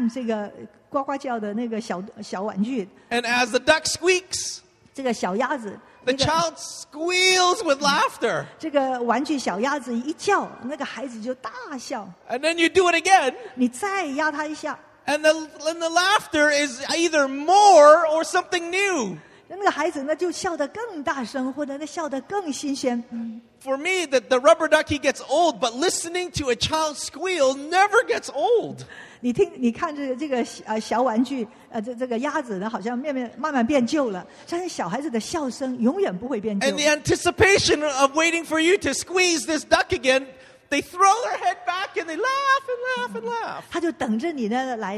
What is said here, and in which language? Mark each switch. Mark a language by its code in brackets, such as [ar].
[zh] 因为你就想呢每一次你呢按这个呱呱叫的那个小玩具 [en] and as the duck squeaks [zh] 这个小鸭子 [en] The child squeals with laughter. [zh] 这个玩具小鸭子一叫, 那个孩子就大笑。 [en] And then you do it again. [zh] 你再压他一下。 [en] And the laughter is either more or something new. [zh] 那个孩子呢, 就笑得更大声, 或者笑得更新鲜。 [en] For me, the rubber ducky gets old, but listening to a child squeal never gets old. [zh] 你看这个小玩具,这个鸭子好像慢慢变旧了,但是小孩子的笑声永远不会变旧。 [en] And the anticipation of waiting for you to squeeze this duck again, they throw their head back and they laugh and laugh and laugh.